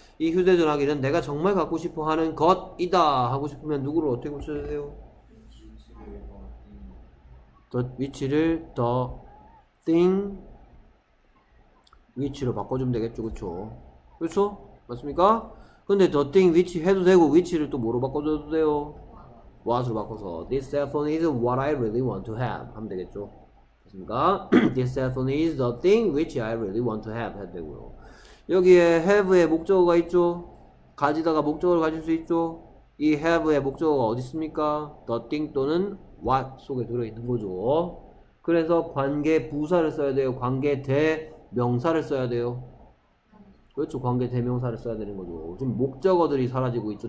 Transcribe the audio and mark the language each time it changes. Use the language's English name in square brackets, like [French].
[Korean] 이 휴대전화기는 내가 정말 갖고 싶어 하는 것이다 하고 싶으면 누구를 어떻게 붙여야 돼요? 위치를 더 thing 위치로 바꿔주면 되겠죠. 그렇죠? 맞습니까? 근데 더 thing 위치 해도 되고 위치를 또 뭐로 바꿔줘도 돼요? [English] what으로 [Korean] 바꿔서 [English] this cell phone is what I really want to have [Korean] 하면 되겠죠. [English] This cell phone is the thing which I really want to have [Korean] 해도 되고요. 여기에 have의 목적어가 있죠. 가지다가 목적어를 가질 수 있죠. 이 have의 목적어가 어디 있습니까? The thing 또는 what 속에 들어있는 거죠. 그래서 관계 부사를 써야 돼요. 관계 대명사를 써야 돼요. 그렇죠. 관계 대명사를 써야 되는 거죠. 지금 목적어들이 사라지고 있죠.